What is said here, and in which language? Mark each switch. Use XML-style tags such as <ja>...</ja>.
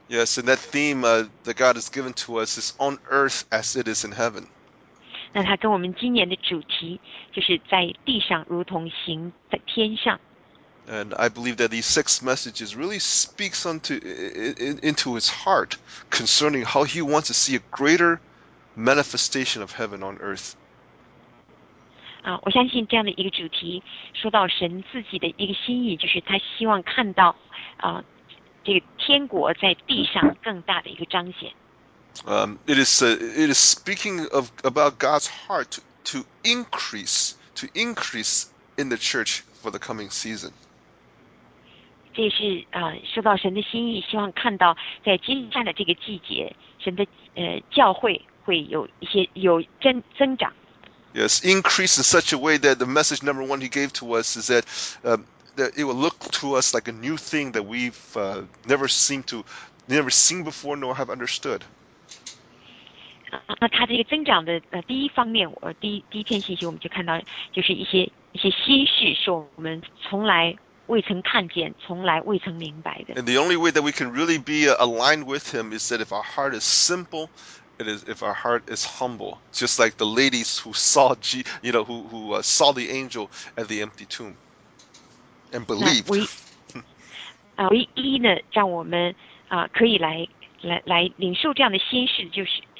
<en>Yes, and that theme that God has given to us is on earth as it is in heaven.</en> <zh>那它跟我们今年的主题就是在地上如同行在天上。</zh> <en>And I believe that these six messages really speaks into his heart concerning how he wants to see a greater manifestation of heaven on earth.</en> <zh>我相信这样的一个主题说到神自己的一个心意，就是他希望看到这个天国在地上更大的一个彰显。</zh> <en>It is speaking of about God's heart to increase in the church for the coming season.</en> <zh>这是说到神的心意，希望看到在接下来的这个季节，神的教会会有一些有增长。</zh> <en>Yes, increase in such a way that the message number one he gave to us is that that it will look to us like a new thing that we've never seen before nor have understood.</en> <zh>那它这个增长的第一方面，第一篇信息我们就看到，就是一些稀释，是我们从来未曾看见，从来未曾明白的。</zh> <en>And the only way that we can really be aligned with him is that if our heart is simple, it is if our heart is humble, just like the ladies who saw saw the angel at the empty tomb and believed.</en> <zh>唯一呢，让我们可以来领受这样的稀释，就是。</zh>